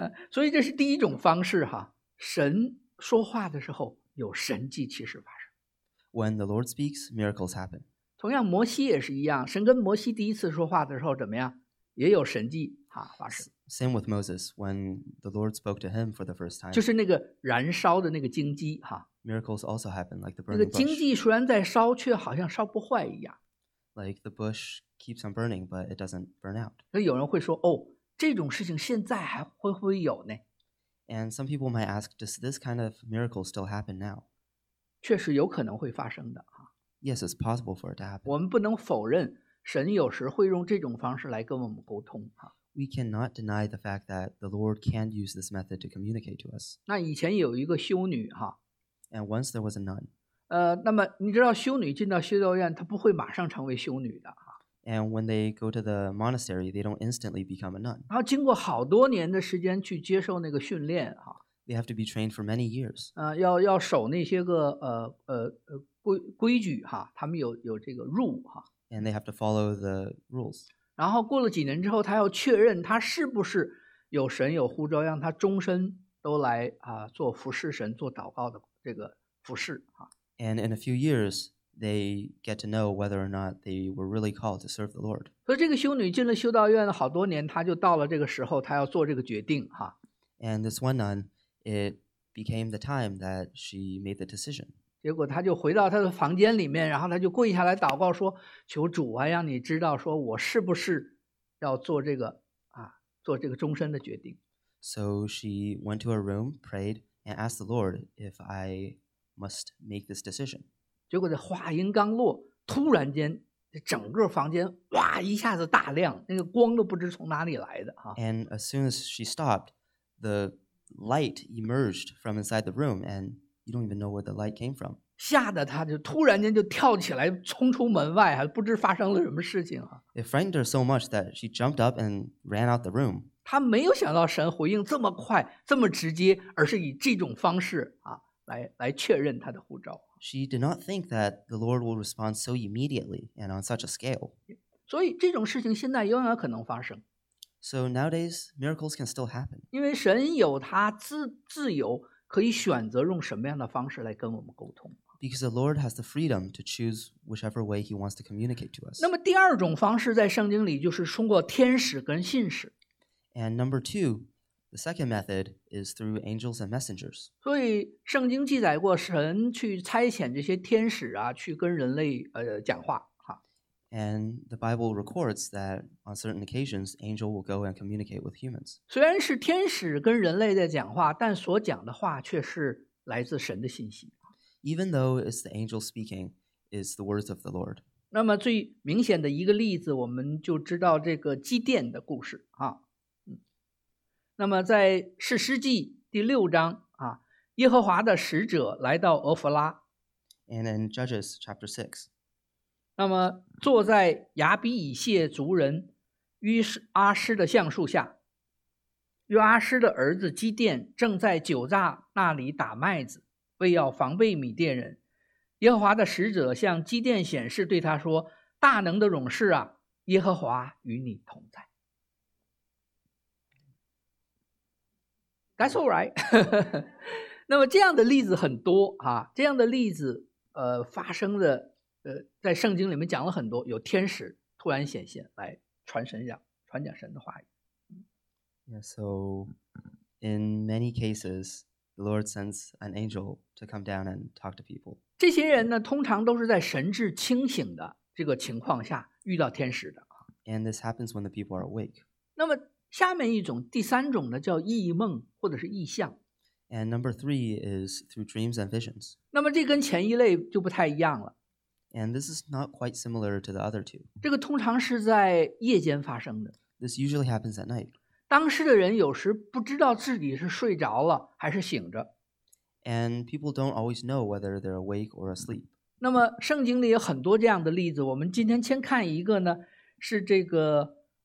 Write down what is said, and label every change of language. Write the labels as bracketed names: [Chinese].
[Chinese] 所以这是第一种方式哈，神说话的时候有神迹奇事发生。 [English] When the Lord speaks, miracles happen. [Chinese] 同样摩西也是一样，神跟摩西第一次说话的时候怎么样，也有神迹哈发生。 [English] Same with Moses, when the Lord spoke to him for the first time. [Chinese] 就是那个燃烧的那个荆棘哈。 [English] Miracles also happen, like the burning [Chinese] bush. 那个荆棘虽然在烧，却好像烧不坏一样。 [English] Like the bush keeps on burning, but it doesn't burn out. [Chinese] 那有人会说，哦，这种事情现在还会不会有呢？ [English] And some people might ask, does this kind of miracle still happen now? [Chinese] 确实有可能会发生的哈。 [English] Yes, it's possible for it to happen. [Chinese] 我们不能否认神有时会用这种方式来跟我们沟通哈。 [English] We cannot deny the fact that the Lord can use this method to communicate to us. [Chinese] 那以前有一个修女哈。 [English] And once there was a nun. [Chinese] 那么你知道修女进到修道院，她不会马上成为修女的哈。 [English] And when they go to the monastery, they don't instantly become a nun. [Chinese] 然后经过好多年的时间去接受那个训练哈。 [English] They have to be trained for many years. [Chinese] 要守那些个规矩哈，他们有这个rule哈。 [English] And they have to follow the rules. [Chinese] 然后过了几年之后，他要确认他是不是有神有呼召，让他终身都来啊做服侍神、做祷告的这个服侍啊。 [English] And in a few years, they get to know whether or not they were really called to serve the Lord. [Chinese] 所以这个修女进了修道院好多年，她就到了这个时候，她要做这个决定哈。 [English] And this one nun, it became the time that she made the decision. [Chinese] 结果她就回到她的房间里面，然后她就跪下来祷告说：“求主啊，让你知道说我是不是要做这个啊，做这个终身的决定。” [English] So she went to her room, prayed, and asked the Lord if I must make this decision. [Chinese] 结果这话音刚落，突然间这整个房间哇一下子大亮，那个光都不知从哪里来的哈。 [English] And as soon as she stopped, the light emerged from inside the room and You don't even know where the light came from. [Chinese] 吓得他就突然间就跳起来冲出门外，还不知发生了什么事情啊。 [English] It frightened her so much that she jumped up and ran out the room. [Chinese] 他没有想到神回应这么快，这么直接，而是以这种方式啊，来确认他的呼召。 [English] She did not think that the Lord will respond so immediately and on such a scale. [Chinese] 所以这种事情现在仍然可能发生。 [English] So nowadays, miracles can still happen. [Chinese] 因为神有他自由可以选择用什么样的方式来跟我们沟通。 [English] Because the Lord has the freedom to choose whichever way he wants to communicate to us. [Chinese] 那么第二种方式在圣经里就是通过天使跟信使。 [English] And number two, the second method is through angels and messengers. [Chinese] 所以圣经记载过神去差遣这些天使啊，去跟人类讲话。 [English] And the Bible records that on certain occasions, angel will go and communicate with humans. [Chinese] 虽然是天使跟人类在讲话，但所讲的话却是来自神的信息。 [English] Even though it's the angel speaking, it's the words of the Lord. [Chinese] 那么最明显的一个例子，我们就知道这个基甸的故事啊。那么在士师记第六章啊，耶和华的使者来到俄弗拉。 [English] And in Judges chapter 6. [Chinese] 那么坐在亚比以谢族人约阿施的橡树下，约阿施的儿子基甸正在酒榨那里打麦子，为要防备米甸人。耶和华的使者向基甸显示，对他说：“大能的勇士啊，耶和华与你同在。” [English] That's all right. [Chinese] 那么这样的例子很多啊，这样的例子发生的在圣经里面讲了很多，有天使突然显现来传神讲传讲神的话语。 [English] Yeah, so in many cases, the Lord sends an angel to come down and talk to people. [Chinese] 这些人呢，通常都是在神志清醒的这个情况下遇到天使的。 [English] And this happens when the people are awake. [Chinese] 那么下面一种，第三种呢，叫异梦或者是异象。 [English] And number three is through dreams and visions. [Chinese] 那么这跟前一类就不太一样了。 [English] And this is not quite similar to the other two. [Chinese] 这个通常是在夜间发生的。 [English] This usually happens at night. [Chinese] 当时的人有时不知道自己是睡着了还是醒着。 [English] And people don't always know whether they're awake or asleep. [Chinese] 那么圣经里有很多这样的例子，我们今天先看一个呢，是这个。